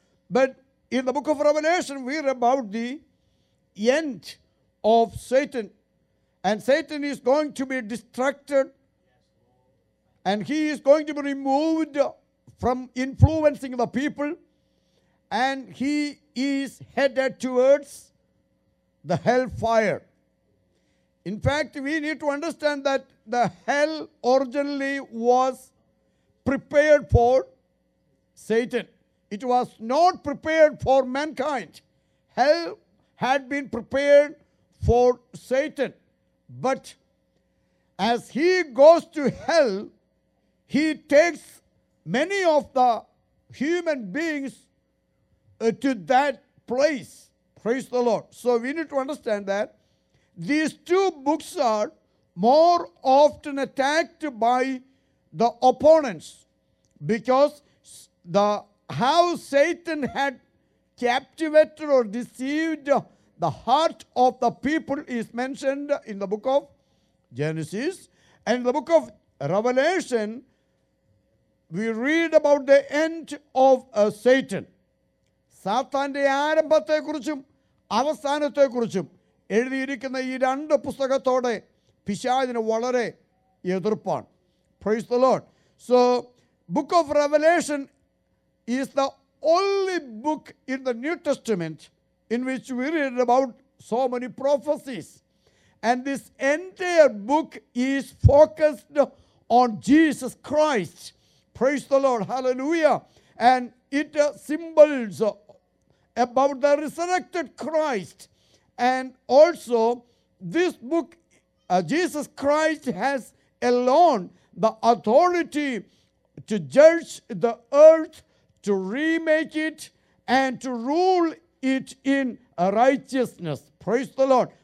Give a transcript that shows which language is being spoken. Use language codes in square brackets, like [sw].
[en] But in the book of Revelation we read about the end of Satan, and Satan is going to be distracted and he is going to be removed from influencing the people, and he is headed towards the hell fire. In fact, we need to understand that the hell originally was prepared for Satan. It was not prepared for mankind. Hell had been prepared for Satan, but as he goes to hell, he takes many of the human beings to that place. Praise the Lord. So we need to understand that these two books are more often attacked by the opponents, because the how Satan had captivated or deceived the heart of the people is mentioned in the book of Genesis, and the book of Revelation we read about the end of Satan. [ml] സാത്താൻ്റെ ആരംഭത്തെക്കുറിച്ചും അവസാനത്തെക്കുറിച്ചും എഴുതിയിരിക്കുന്ന ഈ രണ്ട് പുസ്തകത്തോടെ പിശാചിന് വളരെ എതിർപ്പാണ്. [en] Praise the Lord. So book of Revelation is the only book in the New Testament in which we read about so many prophecies, and this entire book is focused on Jesus Christ. Praise the Lord. Hallelujah. And it symbols about the resurrected Christ, and also this book Jesus Christ has alone the authority to judge the earth, to remake it, and to rule it in righteousness. Praise the Lord.